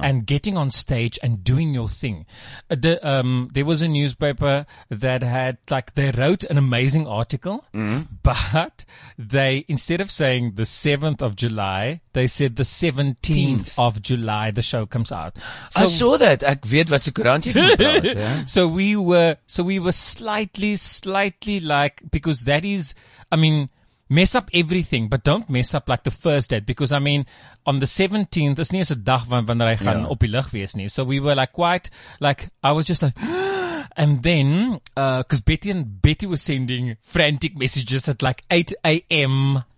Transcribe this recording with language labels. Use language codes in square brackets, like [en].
[en] And getting on stage and doing your thing. There was a newspaper that had, like, they wrote an amazing article, but they, instead of saying the 7th of July, they said the 17th of July the show comes out. So, I saw that. [af] Ek weet wat se koerant jy gepraat, yeah. [en] So we were slightly like, because that is, I mean, mess up everything, but don't mess up like the first date, because I mean, on the 17th, it's not as a [af] dag wanneer hy gaan op die lug wees nie. [en] So we were like quite, like, I was just like, and then, because Betty was sending frantic messages at like 8 a.m.